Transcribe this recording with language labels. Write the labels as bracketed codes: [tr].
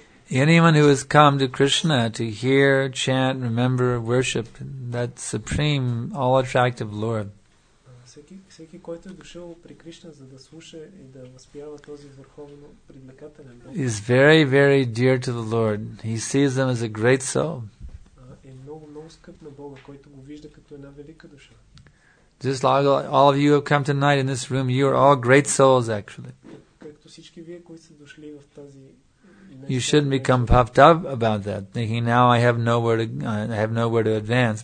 [en] Anyone who has come to Krishna to hear, chant, remember, worship that supreme, all-attractive Lord. [bg] Всеки, който е дошъл при Кришна, за да слуша и да възпява този върховно привлекателен Бог, [en] is very, very dear to the Lord. He sees them as a great soul. [bg] Е много, много скъп на Бога, който го вижда като една велика душа. [en] Just like all of you have come tonight in this room, you are all great souls, actually. [bg] Както всички вие, които са дошли в тази, [en] you shouldn't become puffed up about that, thinking now I have nowhere to advance.